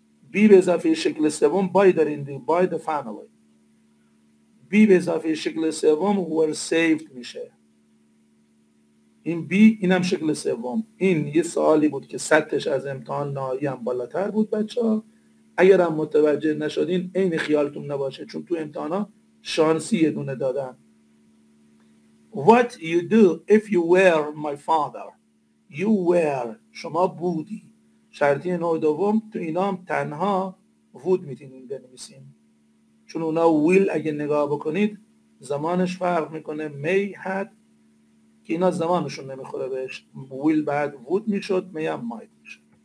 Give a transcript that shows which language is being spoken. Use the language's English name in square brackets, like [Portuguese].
[Persian] بی به اضافه شکل سوم بای دارین دیگه، بای دی فامیلی. بی به اضافه شکل سوم ور سیوت میشه. این بی اینم شکل سوم. این یه سوالی بود که سطحش از امتحان نهایی هم بالاتر بود بچه ها. اگر هم متوجه نشدین این خیالتون نباشه، چون تو امتحان ها شانسی یه دونه دادن. [English] What you do if you were my father. You were [Persian] شما بودی. شرطی نوع دوم تو اینا هم تنها would میتونیم بنویسیم، چون اونا will اگه نگاه بکنید زمانش فرق میکنه. may had که اینا زمانشون نمیخوره بهش، will بعد would میشد، may هم might میشد.